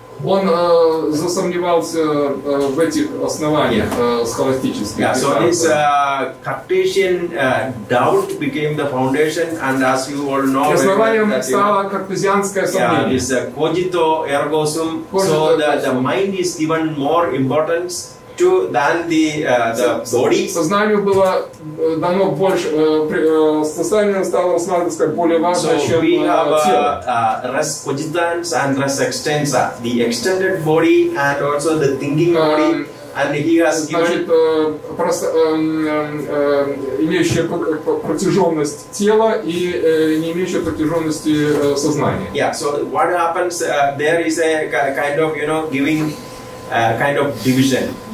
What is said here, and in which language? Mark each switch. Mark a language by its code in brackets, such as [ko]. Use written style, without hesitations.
[ru] Он засомневался в этих основаниях схоластических. [en] Yeah, so this Cartesian doubt became the foundation, and as you all know, [ru] основанием стало картезианское сомнение. [en] Yeah, is cogito ergo sum. So the mind is given more importance to than the body. [ru] Сознанию было дано больше, сознанию стало рассматриваться как более важное, чем тело. [en] So we have res cogitans and res extensa, the extended body and also the thinking body. And he has given, [ru] значит, имеющее протяженность тела и не имеющее протяженности сознания. [en] Yeah, so what happens, there is a kind of, you know, giving kind of division.